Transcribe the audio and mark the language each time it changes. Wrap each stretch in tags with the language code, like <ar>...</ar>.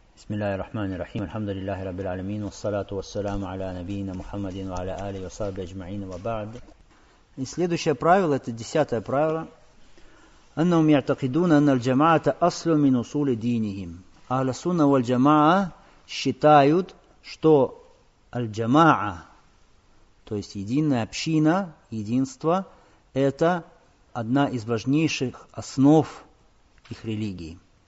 <ar>بسم الله الرحمن الرحيم الحمد لله رب العالمين والصلاة والسلام على نبينا محمد وعلى آله وصحبه أجمعين وبعد.</ar> <ru>Следующее правило, это десятое правило.</ru> <ar>أنهم يعتقدون أن الجماعة أصل من أصول دينهم. أهل السنة والجماعة</ar> <ru>считают, что الجماعة, то есть единая община, единство, это одна из важнейших основ их религии.</ru>